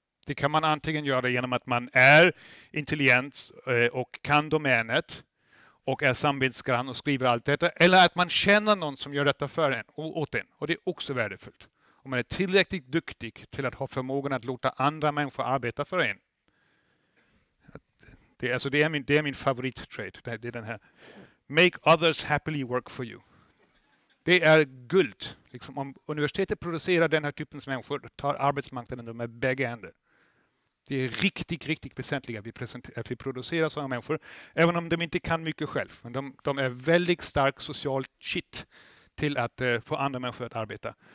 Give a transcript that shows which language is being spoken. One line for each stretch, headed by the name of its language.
Swedish: Det kan man antingen göra genom att man är intelligent och kan domänet och är samvetsgrann och skriver allt detta. Eller att man känner någon som gör detta för en och åt en. Och det är också värdefullt. Om man är tillräckligt duktig till att ha förmågan att låta andra människor arbeta för en. Det är min favorit trait. Det är den här.
English: Make others happily work for you.
Swedish: Det är guld. Liksom om universitetet producerar den här typens människor tar arbetsmarknaden med bägge händer. Det är riktigt, riktigt väsentligt att vi producerar sådana människor. Även om de inte kan mycket själv. Men de är väldigt stark social shit till att få andra människor att arbeta.